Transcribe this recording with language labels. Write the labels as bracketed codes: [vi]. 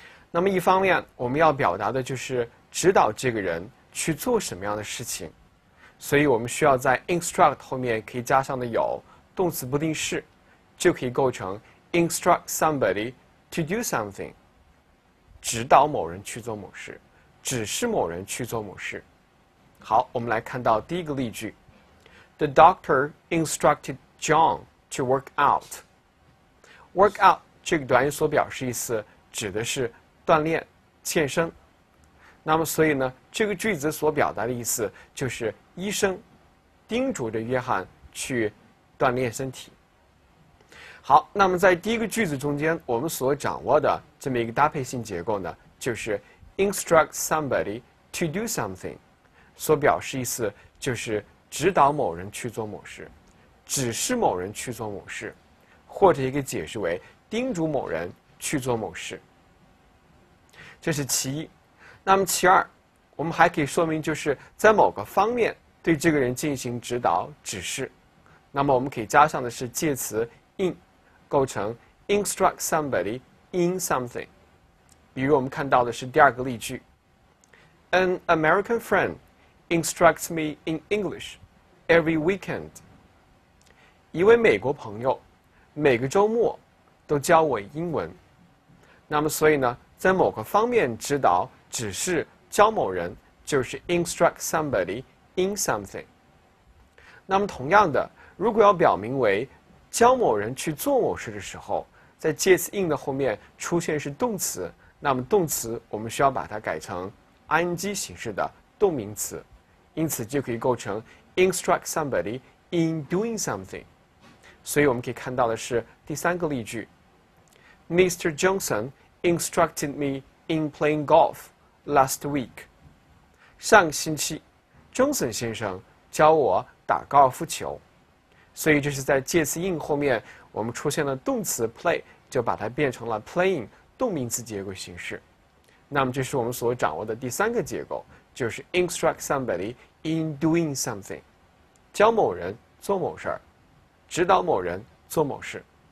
[zh] 那么一方面我们要表达的就是指导这个人去做什么样的事情，所以我们需要在 instruct 后面可以加上的有动词不定式，就可以构成 [en] instruct somebody to do something， [zh] 指导某人去做某事，指示某人去做某事。好，我们来看到第一个例句。 [en] The doctor instructed John to work out. [zh] Work out 这个短语所表示意思指的是锻炼、健身。那么所以呢，这个句子所表达的意思就是医生叮嘱着约翰去锻炼身体。好，那么在第一个句子中间我们所掌握的这么一个搭配性结构呢，就是 [en] instruct somebody to do something， [zh] 所表示意思就是指导某人去做某事，指示某人去做某事，或者一个解释为叮嘱某人去做某事。这是其一。那么其二，我们还可以说明就是在某个方面对这个人进行指导、指示。那么我们可以加上的是介词 in， 构成 [en] instruct somebody in something。 [zh] 比如我们看到的是第二个例句 [en] ：An American friend instructs me in English every weekend。 [zh] 一位美国朋友每个周末都教我英文。那么所以呢，在某个方面指导、指示、教某人，就是 [en] instruct somebody in something。 [zh] 那么同样的，如果要表明为教某人去做某事的时候，在介词 in 的后面出现是动词，那么动词我们需要把它改成 ing 形式的动名词，因此就可以构成 [en] instruct somebody in doing something。 [zh] 所以我们可以看到的是第三个例句 Mr. [en] Johnson instructed me in playing golf last week。 [zh] 上个星期Johnson 先生教我打高尔夫球，所以这是在介词 in 后面我们出现了动词 play， 就把它变成了 playing 动名词结构形式。那么这是我们所掌握的第三个结构，就是 [en] instruct somebody in doing something， [zh] 教某人做某事，指导某人做某事。